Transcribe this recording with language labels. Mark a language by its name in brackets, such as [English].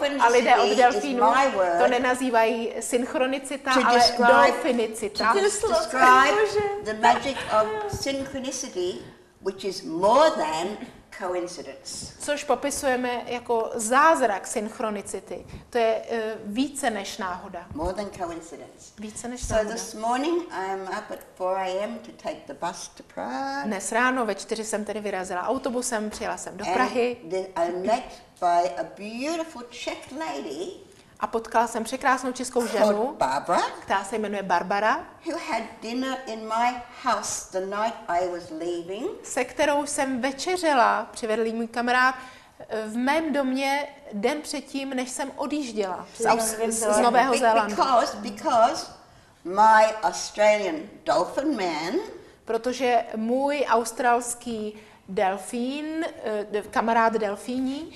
[Czech] A lidé od delfínů to nenazývají synchronicita, ale dolfinicita. [English] Describe the magic of synchronicity, which is more than coincidence. [Czech] Což popisujeme jako zázrak synchronicity. To je více než náhoda. [English] More than coincidence. [Czech] Více než náhoda. [English] So this morning I'm up at 4 a.m. to take the bus to Prague. [Czech] Dnes ráno ve 4 jsem tedy vyrazila autobusem, přijela jsem do Prahy. [English] I met by a beautiful Czech lady. [Czech] A potkala jsem překrásnou českou ženu, [English] Barbara, [Czech] která se jmenuje Barbara, [English] who had dinner in my house the night I was leaving. [Czech] Se kterou jsem večeřela, přivedl můj kamarád, v mém domě den předtím, než jsem odjížděla z Nového Zélandu. [English] Because my Australian dolphin man, [Czech] protože můj australský delfín, kamarád delfíní,